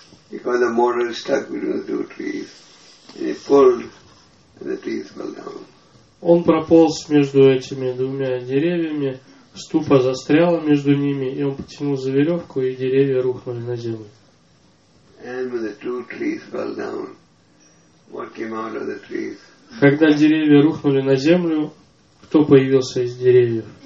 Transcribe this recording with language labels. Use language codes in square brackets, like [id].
[en] Because the mortar stuck between the two trees. And he pulled and the trees fell down. [ru] Он прополз между этими двумя деревьями. Ступа застряла между ними, и он потянул за веревку, и деревья рухнули на землю. [en] And when the two trees fell down, what came out of the trees? [ru] Когда деревья рухнули на землю, кто появился из деревьев?